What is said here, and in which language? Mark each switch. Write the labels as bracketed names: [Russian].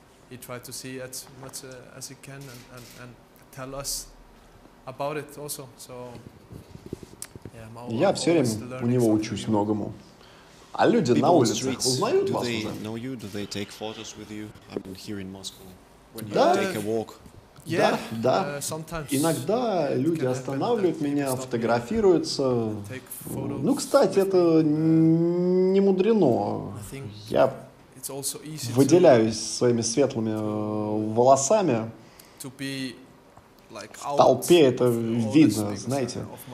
[English] He tried to see as much as he can and tell us about it also. So, yeah, I'm always learning something new. [Russian] Многому. А люди на улицах узнают вас уже? [English] Do they take photos with you? I've been here in Moscow. When you take a walk. [Russian] Да. Иногда люди останавливают меня, фотографируются. Ну, кстати, это не мудрено. Я выделяюсь своими светлыми волосами. В толпе это видно, знаете.